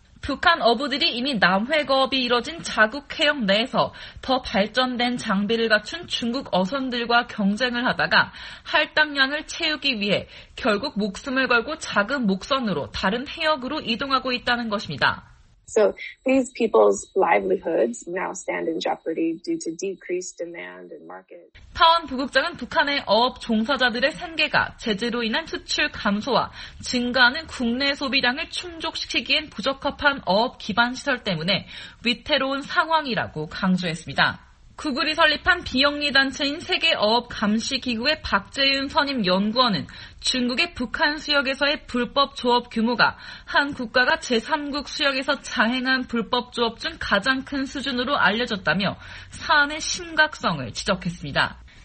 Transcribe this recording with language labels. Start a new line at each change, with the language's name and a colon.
Korean: 북한 어부들이 이미 남획어업이 이뤄진 자국해역 내에서 더 발전된 장비를 갖춘 중국 어선들과 경쟁을 하다가 할당량을 채우기 위해 결국 목숨을 걸고 작은 목선으로 다른 해역으로 이동하고 있다는 것입니다.
English: So these people's livelihoods now stand in jeopardy due to decreased demand and market.
Korean: 타원 부국장은 북한의 어업 종사자들의 생계가 제재로 인한 수출 감소와 증가하는 국내 소비량을 충족시키기엔 부적합한 어업 기반 시설 때문에 위태로운 상황이라고 강조했습니다. 구글이 설립한 비영리단체인 세계어업감시기구의 박재윤 선임 연구원은 중국의 북한 수역에서의 불법 조업 규모가 한 국가가 제3국 수역에서 자행한 불법 조업 중 가장 큰 수준으로 알려졌다며 사안의 심각성을 지적했습니다.